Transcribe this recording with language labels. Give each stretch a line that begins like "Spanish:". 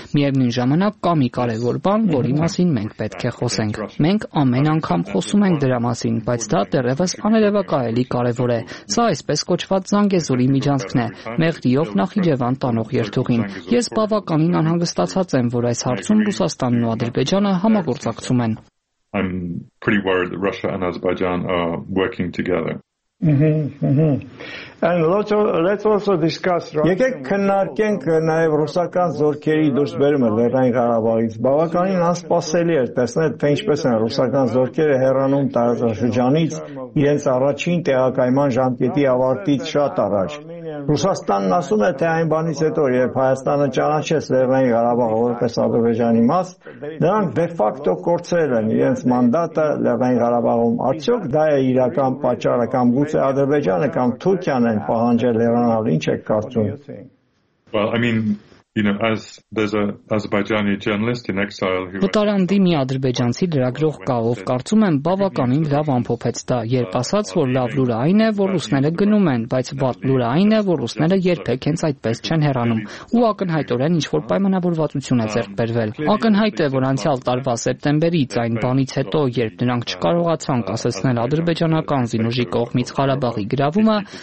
Armenian: Միևնույն ժամանակ կա մի կարևոր բան, որի մասին մենք պետք է խոսենք։ Մենք ամեն անգամ խոսում ենք դրա մասին, բայց դա դեռևս աներևակայելի կարևոր է։ Սա այսպես կոչված Զանգեզուրի միջանցքն է՝ Մեղրիով Նախիջևան տանող երթուղին։ Ես բավականին անհանգստացած եմ, որ այս հարցում Ռուսաստանն ու Ադրբեջանը համագործակցում են։
English: I'm pretty worried that Russia and Azerbaijan are working together. And let's also discuss Russia.
Armenian: Եկեք քննարկենք նաև ռուսական զորքերի դժբերումը Լեռնային Ղարաբաղից։ Բավականին անսպասելի էր տեսնել, թե ինչպես են ռուսական զորքերը հեռանում տարածաշրջանից իրենց առաջին տեղակայման ժամկետի ավարտից շատ առաջ։ Ռուսաստանն ասում է, թե այն բանից հետո, երբ Հայաստանը ճանաչեց Լեռնային Ղարաբաղը որպես Ադրբեջանի մաս, նրանք դեֆակտո կորցրել են իրենց մանդատը Լեռնային Ղարաբաղում։ Արդյոք դա է իրական պատճառը, կամ գուցե Ադրբեջանը կամ Թուրքիան են պահանջել հեռանալ, ինչ եք կարծում։
English: Well, I mean, you know, as there's a Azerbaijani journalist in exile who
Armenian: Վտարանդի մի ադրբեջանցի լրագրող կա, ով կարծում եմ բավականին լավ ամփոփեց դա, երբ ասաց, որ լավ լուրը այն է, որ ռուսները գնում են, բայց վատ լուրը այն է, որ ռուսները երբեք հենց այդպես չեն հեռանում, ու ակնհայտորեն ինչ-որ պայմանավորվածություն է ձեռք բերվել։ Ակնհայտ է, որ անցյալ տարվա սեպտեմբերից այն բանից հետո, երբ նրանք չկարողացան կասեցնել ադրբեջանական զինուժի կողմից Ղարաբաղի գրավումը,